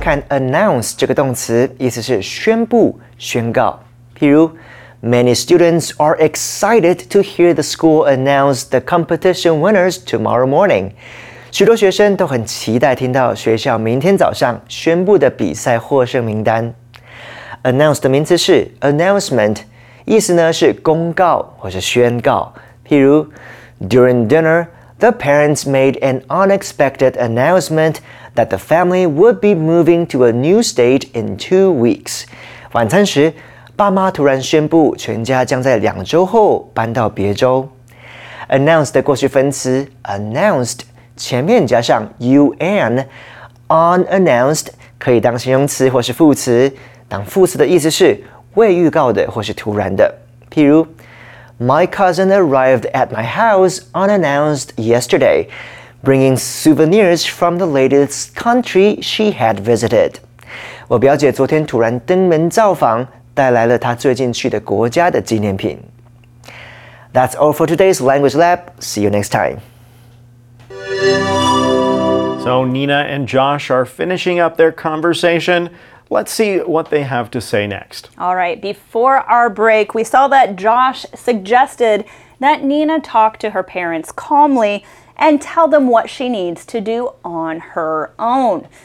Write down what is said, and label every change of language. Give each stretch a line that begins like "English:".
Chinese: Announce 这个动词意思是宣布、宣告。譬如
English: ，Many students are excited to hear the school announce the competition winners tomorrow morning.
Chinese: 许多学生都很期待听到学校明天早上宣布的比赛获胜名单。 Announce 的名词是 announcement， 意思呢是公告或是宣告。譬如
English: ，During dinner, the parents made an unexpected announcement. That the family would be moving to a new state in 2 weeks.
Chinese: 晚餐时，爸妈突然宣布全家将在两周后搬到别州。 Announce 的过去分词 announced 前面加上 un, unannounced 可以当形容词或是副词，当副词的意思是未预告的或是突然的。譬如
English: ，My cousin arrived at my house unannounced yesterday. Bringing souvenirs from the latest country she had visited.
Chinese: 我表姐昨天突然登门造访，带来了她最近去的国家的纪念品。
English: That's all for today's Language Lab. See you next time. So Nina and Josh are finishing up their conversation. Let's see what they have to say next. All right, before our break, we saw that Josh suggested that Nina talk to her parents calmly,and tell them what she needs to do on her own.